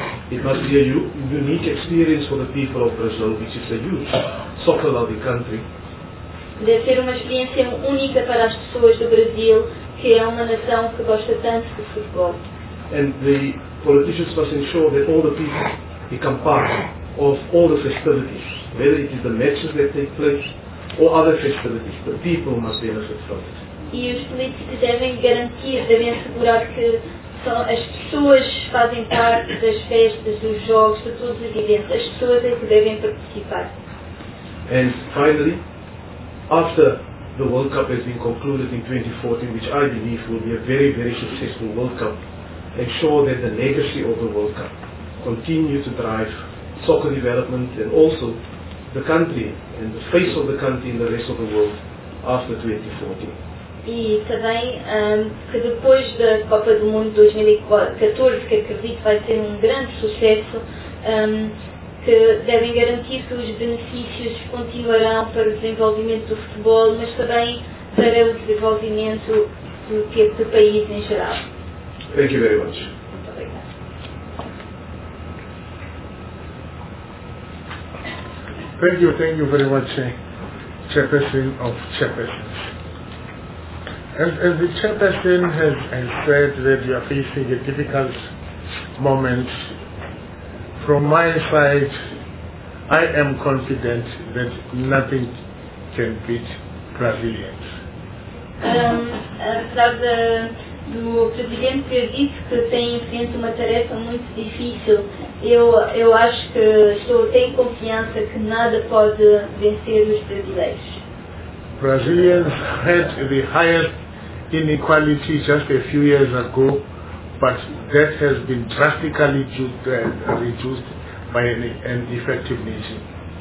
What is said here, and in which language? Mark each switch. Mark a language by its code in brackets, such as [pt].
[en] It must be a unique experience for the people of Brazil, which is a huge soccer-loving country. [pt] Deve ser uma experiência única para as pessoas do Brasil, que é uma nação que gosta tanto de futebol. [en] And the politicians must ensure that all the people become part of all the festivities, whether it is the matches that take place or other festivities, the people must benefit from it. [pt] E os políticos devem garantir, devem assegurar que as pessoas fazem parte das festas, dos jogos, de todos os eventos. As pessoas é que devem participar. [en] And finally, after the World Cup has been concluded in 2014, which I believe will be a very, very successful World Cup, ensure that the legacy of the World Cup continue to drive soccer development and also the country and the face of the country in the rest of the world after 2014. [pt] e também que depois da Copa do Mundo 2014, que acredito vai ter um grande sucesso, que devem garantir que os benefícios continuarão para o desenvolvimento do futebol, mas também para o desenvolvimento do país em geral. [en] Thank you very much. Thank you very much, Chairperson of Chairpersons. As the Chairperson has said that you are facing a difficult moment, from my side, I am confident that nothing can beat Brazilians. [pt] Apesar do Presidente ter dito que tem em frente uma tarefa muito difícil, eu acho que tenho confiança que nada pode vencer os brasileiros. [en] Brazilians had the highest inequality just a few years ago, but that has been drastically reduced by an effective nation.